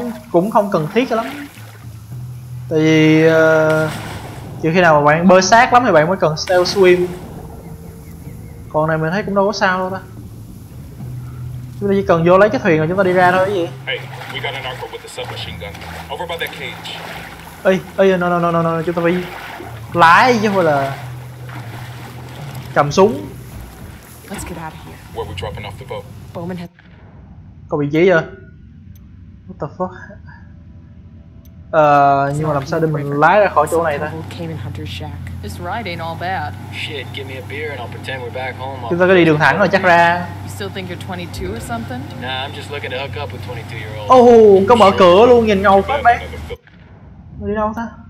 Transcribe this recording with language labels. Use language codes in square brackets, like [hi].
[vi] Cũng không cần thiết lắm. Tại vì Chứ khi nào mà bạn bơi sát lắm thì bạn mới cần stealth swim. Con này mình thấy cũng đâu có sao đâu ta. Chúng ta chỉ cần vô lấy cái thuyền rồi chúng ta đi ra thôi cái gì. [en] Hey, we got an arco with the submachine gun. Over by that cage. [vi] No, chúng ta phải lái chứ không phải là cầm súng. [en] Let's get out of here. Where we dropping off the boat? Bowman had... [vi] Có vị trí chưa? [en] What the fuck? [vi] Nhưng mà làm sao để mình lái ra khỏi chỗ này ta? [en] This ride ain't all bad. Shit, give me a beer and I'll pretend we're back home. [vi] Chúng ta có đi đường thẳng rồi chắc ra. [en] You still think you're 22 or something? Nah, I'm just looking to hook up with 22-year-old. [vi] Oh, có mở cửa luôn, nhìn ngầu phết mấy. Đi đâu ta?